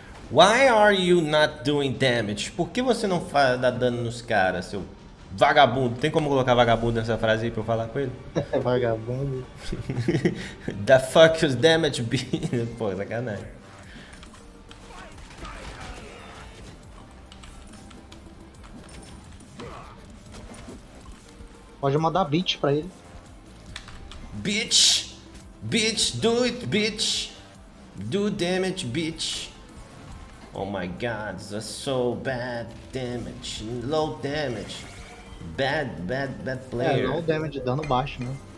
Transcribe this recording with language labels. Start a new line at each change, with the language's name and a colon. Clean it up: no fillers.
English: Why are you not doing damage?
Portuguese: Por que você não dá dano nos caras, seu vagabundo? Tem como colocar vagabundo nessa frase aí pra eu falar com ele? Vagabundo?
English: The fuck is damage being?
Portuguese: Pô, sacanagem. Pode mandar beat pra ele.
English: Bitch! Bitch, do it, bitch! Do damage, bitch! Oh my god, this is so bad damage. Low damage. Bad, bad, bad player.
Portuguese: É,
English: low damage,
Portuguese: dano baixo, né?